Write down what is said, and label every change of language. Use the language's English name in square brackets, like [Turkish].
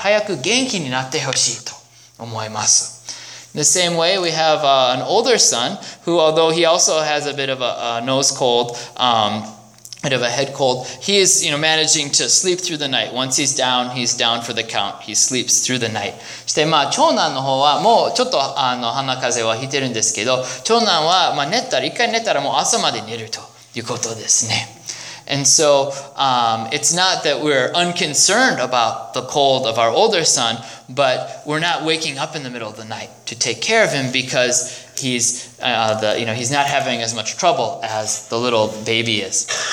[Japanese] まあ、もちろん、あの、まあ、ゆっくり寝たいというのもあるんですけど、あの、でもそれよりは子供が早く元気になってほしいと思います。 [English] In the same way, we have an older son who, although he also has a bit of a nose cold, bit of a head cold, he is, you know, managing to sleep through the night. Once he's down for the count. He sleeps through the night. [Japanese] して、まあ、長男の方はもうちょっと、あの、鼻風邪は引いてるんですけど、長男は、まあ、寝たら、一回寝たらもう朝まで寝るということですね。 [English] And so it's not that we're unconcerned about the cold of our older son, but we're not waking up in the middle of the night to take care of him because he's he's not having as much trouble as the little baby is.